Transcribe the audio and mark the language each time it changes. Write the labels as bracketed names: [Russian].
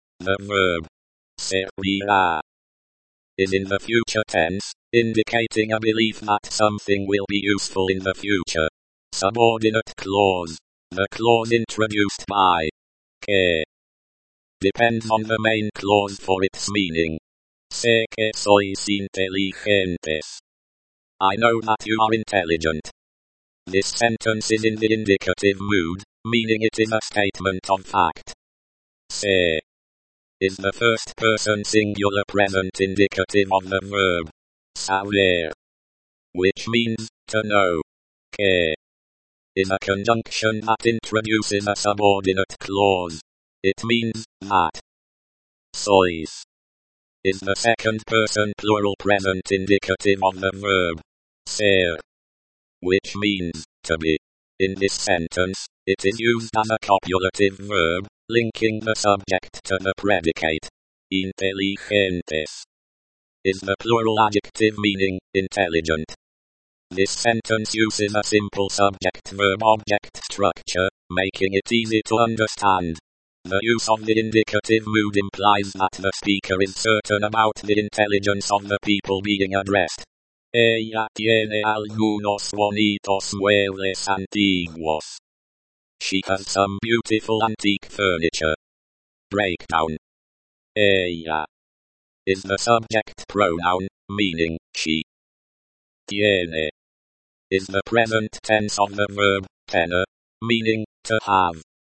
[English] The verb servirá is in the future tense, indicating a belief that something will be useful in the future. Subordinate clause. The clause introduced by que depends on the main clause for its meaning. [Spanish] Sé que sois inteligentes. [English] I know that you are intelligent. This sentence is in the indicative mood, meaning it is a statement of fact. Sé is the first person singular present indicative of the verb saber, which means to know. Que is a conjunction that introduces a subordinate clause. It means that. Sois is the second person plural present indicative of the verb ser, which means to be. In this sentence, it is used as a copulative verb, linking the subject to the predicate. Inteligentes is the plural adjective meaning intelligent. This sentence uses a simple subject-verb-object structure, making it easy to understand. The use of the indicative mood implies that the speaker is certain about the intelligence of the people being addressed. [Spanish] Ella tiene algunos bonitos muebles antiguos. [English] She has some beautiful antique furniture. Breakdown. Ella is the subject pronoun, meaning she. Tiene is the present tense of the verb tener, meaning to have.